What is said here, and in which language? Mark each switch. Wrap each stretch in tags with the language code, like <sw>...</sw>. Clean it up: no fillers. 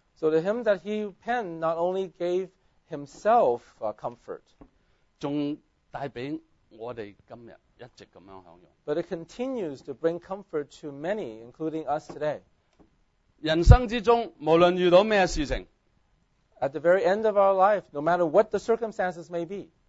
<en>So the hymn that he penned not only gave himself comfort,</en> <zh>带给我们今日一直这样享用。</zh> <en>But it continues to bring comfort to many, including us today.</en> <zh>人生之中，无论遇到咩事情，</zh> <en>at the very end of our life, no matter what the circumstances may be,</en>